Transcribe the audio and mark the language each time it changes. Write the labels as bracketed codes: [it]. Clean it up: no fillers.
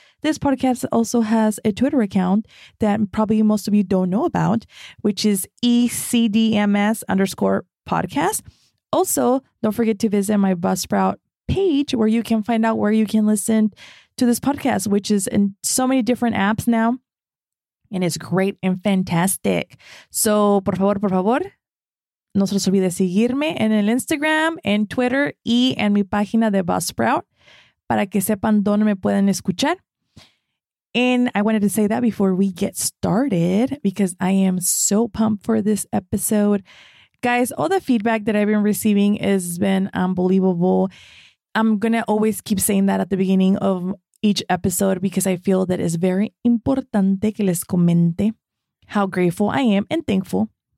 [en] This podcast also has a Twitter account that probably most of you don't know about, which is ECDMS_podcast. Also, don't forget to visit my Buzzsprout page where you can find out where you can listen to this podcast, which is in so many different apps now, and it's great and fantastic. [es] So, por favor, no se olvide seguirme en el Instagram, en Twitter y en mi página de Buzzsprout para que sepan dónde me pueden escuchar. [en] And I wanted to say that before we get started because I am so pumped for this episode. Guys, all the feedback that I've been receiving has been unbelievable. I'm going to always keep saying that at the beginning of each episode because I feel that it's very [es] importante que les comente [en] how grateful I am and thankful.